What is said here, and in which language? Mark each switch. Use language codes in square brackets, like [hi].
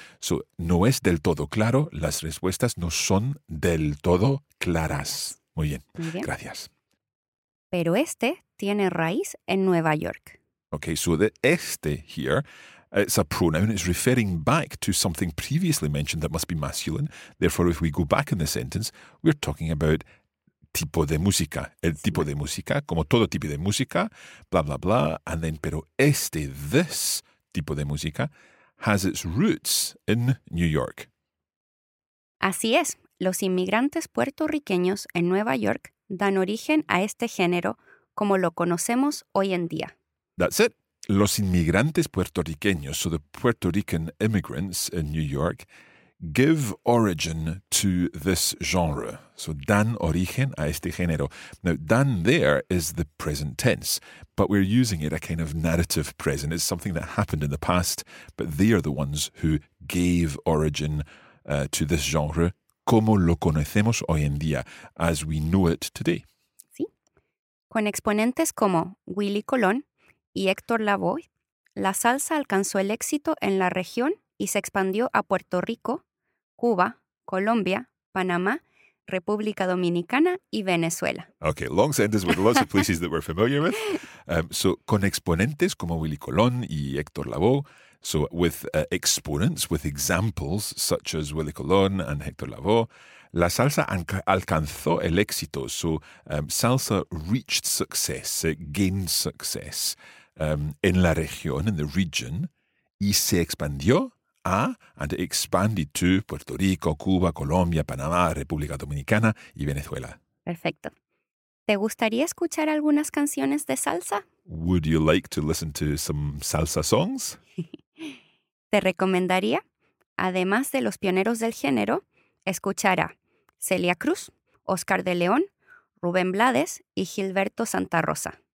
[es] So no es del todo claro. Las respuestas no son del todo claras. Muy bien. Muy bien. Gracias. Pero este tiene raíz en Nueva York. [en] Okay, so the este here, it's a pronoun. It's referring back to something previously mentioned that must be masculine. Therefore, if we go back in the sentence, we're talking about tipo de música. [es] El tipo de música, como todo tipo de música, blah, blah, blah. [en] And then, [es] pero este, [en] this [es] tipo de música, [en] has its roots in New York. [es] Así es. Los inmigrantes puertorriqueños en Nueva York dan origen a este género como lo conocemos hoy en día. [en] That's it. [es] Los inmigrantes puertorriqueños, [en] so the Puerto Rican immigrants in New York, give origin to this genre. [es] So dan origen a este género. [en] Now, dan there is the present tense, but we're using it a kind of narrative present. It's something that happened in the past, but they are the ones who gave origin to this genre. [es] Como lo conocemos hoy en día, [en] as we know it today. [es] Sí. Con exponentes como Willy Colón y Héctor Lavoe, la salsa alcanzó el éxito en la región y se expandió a Puerto Rico, Cuba, Colombia, Panamá, República Dominicana y Venezuela. [en] Okay, long sentence with lots of places that we're familiar with. So, [es] con exponentes como Willy Colón y Héctor Lavoe, [en] So with exponents, with examples such as Willy Colón and Héctor Lavoe, [es] la salsa alcanzó el éxito. [en] So salsa reached success, it gained success [es] en la región, [en] in the region, [es] y se expandió a, [en] and it expanded to, Puerto Rico, Cuba, Colombia, Panamá, República Dominicana y Venezuela. [es] Perfecto. ¿Te gustaría escuchar algunas canciones de salsa? [en] Would you like to listen to some salsa songs? [es] Te recomendaría, además de los pioneros del género, escuchar a Celia Cruz, Oscar de León, Rubén Blades y Gilberto Santa Rosa.